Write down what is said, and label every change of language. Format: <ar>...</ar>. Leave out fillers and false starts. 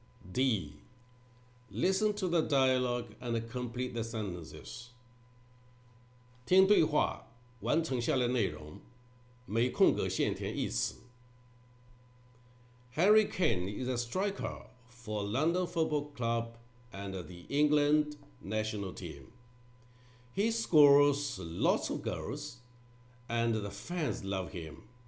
<en>D. Listen to the dialogue and complete the sentences.</en> <zh>听对话，完成下列内容，每空格限填一词。</zh> <en>Harry Kane is a striker for London Football Club and the England national team. He scores lots of goals and the fans love him.</en>